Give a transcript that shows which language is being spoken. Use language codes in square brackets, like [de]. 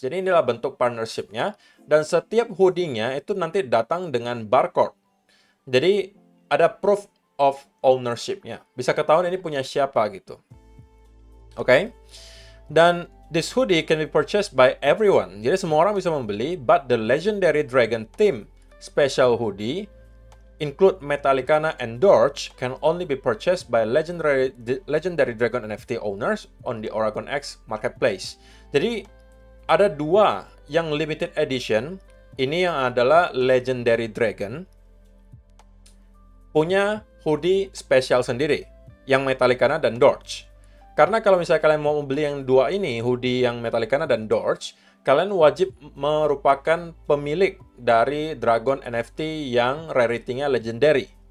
[id] Jadi inilah bentuk partnership-nya. Dan setiap hoodie-nya itu nanti datang dengan barcode. Jadi ada proof of ownership-nya. Bisa ketahuan ini punya siapa gitu. [en] Oke, dan this hoodie can be purchased by everyone. [id] Jadi semua orang bisa membeli, [en] but the legendary dragon team special hoodie include Metallicana and Dorch can only be purchased by legendary dragon NFT owners on the Oregon X marketplace. [id] Jadi ada dua yang limited edition, ini yang adalah legendary dragon punya hoodie special sendiri, yang Metallicana dan Dorch. Karena kalau misalnya kalian mau beli yang dua ini, hoodie yang Metallicana dan Dorch, kalian wajib merupakan pemilik dari Dragon NFT yang rarity-nya legendary.